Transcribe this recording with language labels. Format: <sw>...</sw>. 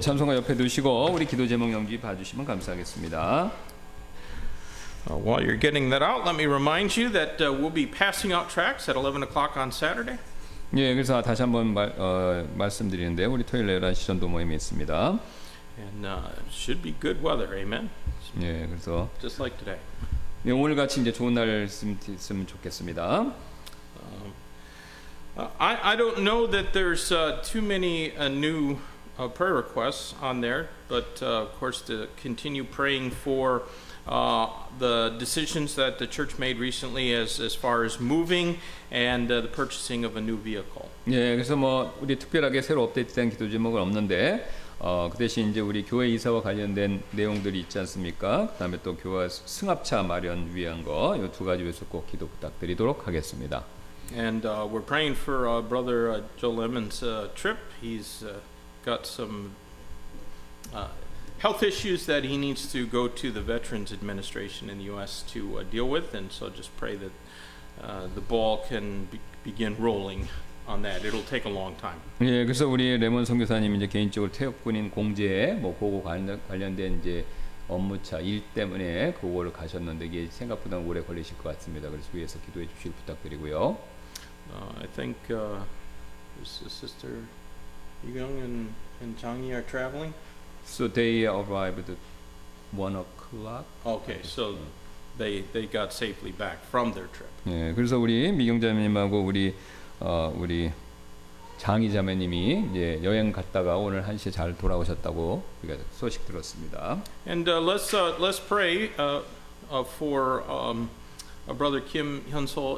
<ko>찬송가 옆에 두시고 우리 기도 제목 용지 봐주시면 감사하겠습니다.</ko> <en>While you're getting that out, let me remind you that we'll be passing out tracts at 11 o'clock on Saturday.</en> <ko>예, 그래서 다시 한번 말씀드리는데 우리 토요일 11시 전도 모임이 있습니다.</ko> <en>And should be good weather, amen.</en> <ko>예, 그래서</ko> <en>just like today.</en> <ko>예, 오늘 같이 이제 좋은 날 있으면 좋겠습니다.</ko> <en>I don't know that there's too many new prayer requests on there, but of course to continue praying for the decisions that the church made recently as far as moving and the purchasing of a new vehicle.</en> <ko>예, 그래서 뭐 우리 특별하게 새로 업데이트된 기도 제목은 없는데 그 대신 이제 우리 교회 이사와 관련된 내용들이 있지 않습니까? 그다음에 또 교회 승합차 마련 위한 거 이 두 가지 위해서 꼭 기도 부탁드리도록 하겠습니다.</ko> <en>And we're praying for brother Joe Lemon's trip. He's got some health issues that he needs to go to the Veterans Administration in the U.S. to deal with. And so just pray that the ball can begin rolling on that. It'll take a long time.</en> <ko>예, 그래서 우리 레몬 선교사님 이제 개인적으로 태극군인 공제에 뭐 그거 관련된 이제 업무차 일 때문에 그거를 가셨는데 이게 생각보다 오래 걸리실 것 같습니다. 그래서 위에서 기도해 주시길 부탁드리고요.</ko> <en>I think this is sister Yung and Changi are traveling. So they arrived at 1 o'clock. Okay, so they got safely back from their trip.</en> <ko>예, 그래서 우리 미경자매님하고 우리 우리 장희 자매님이 이제 여행 갔다가 오늘 1시에 잘 돌아오셨다고 우리가 소식 들었습니다.</ko> <en>And let's pray for brother Kim Hyun-sol.</en>